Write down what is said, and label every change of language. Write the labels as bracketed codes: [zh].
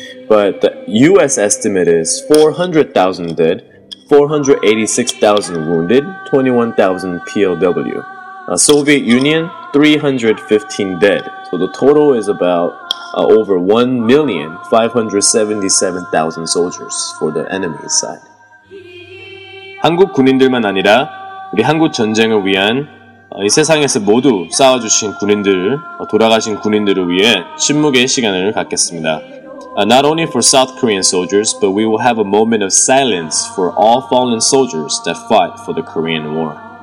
[en] But the US estimate is 400,000 dead, 486,000 wounded, 21,000 POW. Soviet Union, 315 dead. So the total is about over 1,577,000 soldiers for the enemy side. [ko] 한국 군인들만 아니라 우리 한국 전쟁을 위한 이 세상에서 모두 싸워주신 군인들, 돌아가신 군인들을 위해 침묵의 시간을 갖겠습니다. [en] Not only for South Korean soldiers, but we will have a moment of silence for all fallen soldiers that fight for the Korean War.